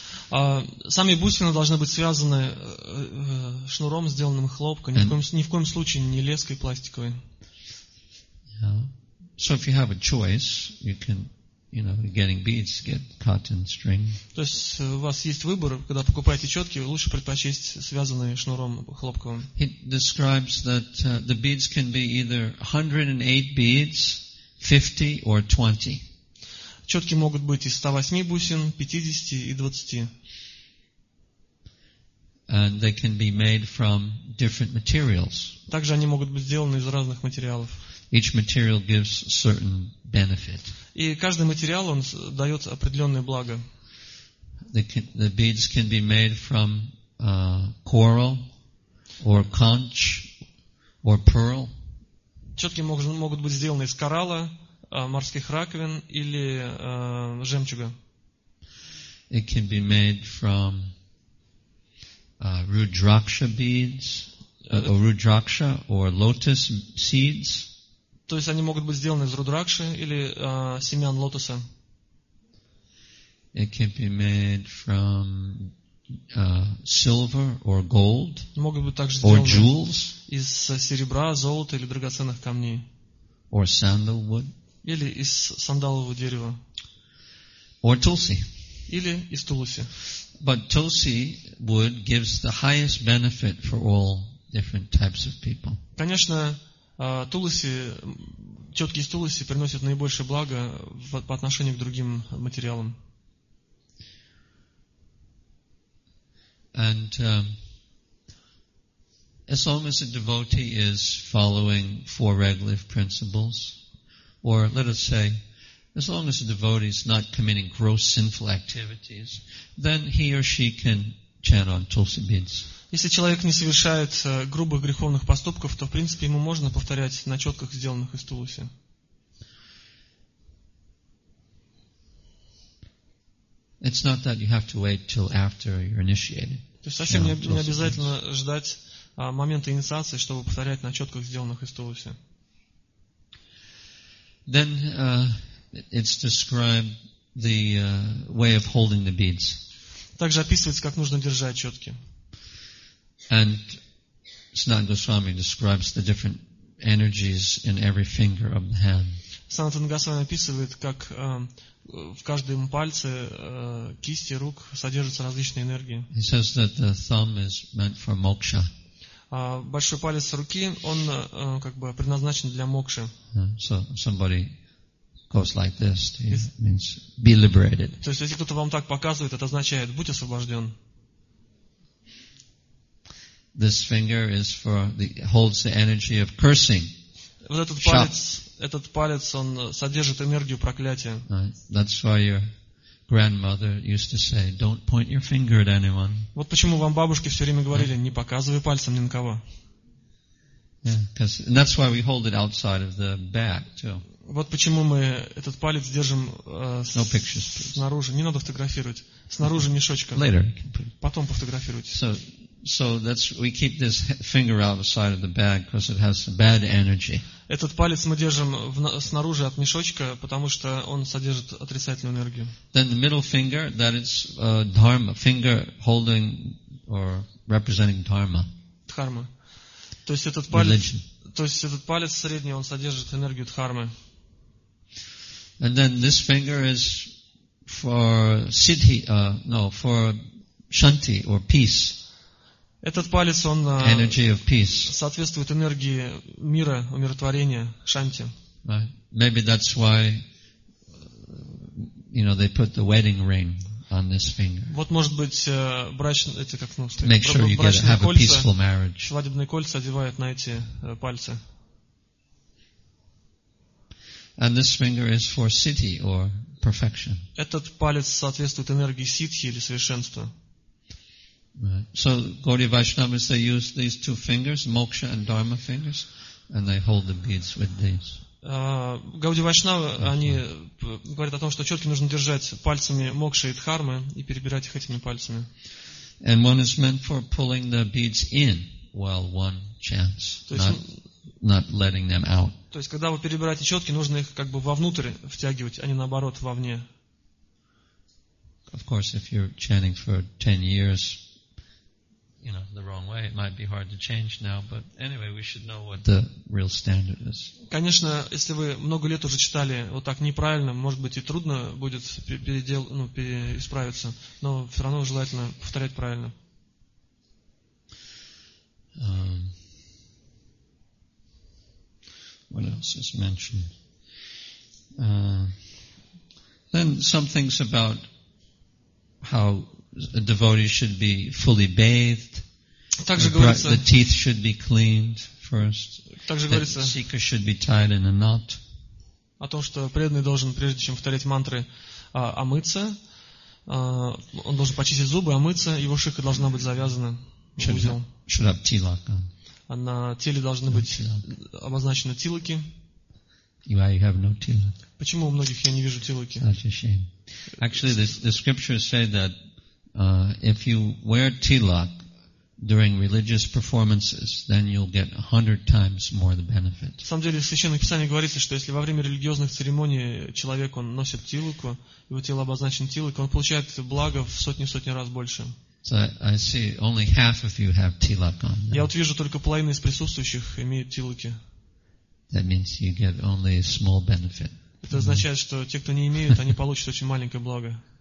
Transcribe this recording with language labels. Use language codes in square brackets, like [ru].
[ru] Сами бусины должны быть связаны шнуром, сделанным хлопком, ни в коем случае не леской пластиковой. [en] Yeah. So if you have a choice, you can. You know, getting beads, get cotton string. [ru] То есть у вас есть выбор, когда покупаете четки, лучше предпочесть связанные шнуром хлопковым. [en] He describes that the beads can be either 108 beads, 50 or 20. [ru] Четки могут быть из 108 бусин, 50 и 20. [en] And they can be made from different materials. [ru] Также они могут быть сделаны из разных материалов. [en] Each material gives certain benefit. [ru] И каждый материал он дает определенное благо. [en] The beads can be made from coral or conch or pearl. [ru] Четки могут быть сделаны из коралла, морских раковин или жемчуга. [en] It can be made from rudraksha beads or rudraksha or lotus seeds. [ru] То есть они могут быть сделаны из рудракши или семян лотоса. [en] It can be made from silver or gold. [ru] Могут быть также сделаны из серебра, золота или драгоценных камней. [en] Or sandalwood. [ru] Или из сандалового дерева. [en] Or tulsi. [ru] Или из тулуси. [en] But tulsi wood gives the highest benefit for all different types of people. [ru] Конечно. Тулуси, четки из тулуси приносят наибольшее благо по отношению к другим материалам. [en] And as long as a devotee is following four regular principles, or let us say, as long as a devotee is not committing gross sinful activities, then he or she can chant on tulsi beads. [ru] Если человек не совершает грубых греховных поступков, то, в принципе, ему можно повторять на четках, сделанных из тулуси. [en] It's not that you have to wait till after you're initiated. [ru] То есть совсем не обязательно ждать момента инициации, чтобы повторять на четках, сделанных из тулуси. [en] Then it's described the way of holding the beads. [ru] Также описывается, как нужно держать четки. [en] And Sanatana Goswami describes the different energies in every finger of the hand. [ru] Sanatana Goswami описывает, как в каждом пальце кисти рук содержатся различные энергии. [en] He says that the thumb is meant for moksha. [ru] Большой палец руки, он как бы предназначен для мокши. [en] So somebody goes like this, it means be liberated. [ru] То есть если кто-то вам так показывает, это означает будь освобожден. [en] This finger is for the holds the energy of cursing. [ru] Вот этот палец он содержит энергию проклятия. [en] That's why your grandmother used to say, "Don't point your finger at anyone." [ru] Вот почему вам бабушки все время говорили, не показывай пальцем ни на кого. [en] Yeah, because that's why we hold it outside of the back too. [ru] Вот почему мы этот палец держим [en] no pictures, [ru] снаружи. Не надо фотографировать. Снаружи мешочка. [en] Later. [ru] Потом пофотографируйте. [en] So that's we keep this finger out of sight of the bag because it has bad energy. [ru] Этот палец мы держим снаружи от мешочка, потому что он содержит отрицательную энергию. [en] Then the middle finger, that is dharma, finger holding or representing dharma. [ru] Дхарма. То есть этот палец, то есть этот палец средний, он содержит энергию дхармы. [en] And then this finger is for siddhi, for shanti or peace. [ru] Этот палец, он [en] energy of peace. [ru] Соответствует энергии мира, умиротворения, шанти. [en] Right. Maybe that's why, you know, they put the wedding ring on this finger. [ru] Вот может быть брачные эти как ну что [en] make sure you get, have [ru] кольца, [en] a peaceful marriage. [ru] Свадебные кольца одевают на эти пальцы. [en] And this finger is for siddhi or perfection. [ru] Этот палец соответствует энергии сиддхи или совершенства. Right. [en] So Gaudiya Vaishnavas, they use these two fingers, moksha and dharma fingers, and they hold the beads with these. [ru] Гаудия Вайшнава, они говорят о том, что четки нужно держать пальцами мокши и дхармы и перебирать их этими пальцами. [en] And one is meant for pulling the beads in while one chants, not letting them out. [ru] То есть, когда вы перебираете четки, нужно их как бы вовнутрь втягивать, а не наоборот, вовне. [en] Of course, if you're chanting for 10 years, you know, the wrong way, it might be hard to change now, but anyway, we should know what the real standard is. [ru] Конечно, если вы много лет уже читали вот так неправильно, может быть и трудно будет переисправиться, но все равно желательно повторять правильно. [en] What else is mentioned? Then some things about how a devotee should be fully bathed. [ru] Также говорится, [en] the teeth should be cleaned first. [ru] Также говорится, [en] the seeker should be tied in a knot. [ru] О том, что преданный должен, прежде чем повторять мантры, омыться. Он должен почистить зубы, омыться. Его шикха должна быть завязана узлом. [en] Should have тилака. [ru] А на теле должны быть обозначены тилаки. [en] Why you have no tilak? [ru] Почему у многих я не вижу тилаки? [en] Such a shame. Actually, the scriptures say that if you wear tilak during religious performances, then you'll get 100 times more the benefit. [ru] На самом деле, в Священном Писании говорится, что если во время религиозных церемоний человек он носит тилаку, его тело обозначено тилакой, он получает благо в сотни раз больше. [en] So I see only half of you have tilak on. [ru] Я вот вижу только половина из присутствующих имеют тилаки. [en] That means you get only a small benefit. [ru] Это означает, что те, кто не имеют, они получат очень маленькое благо.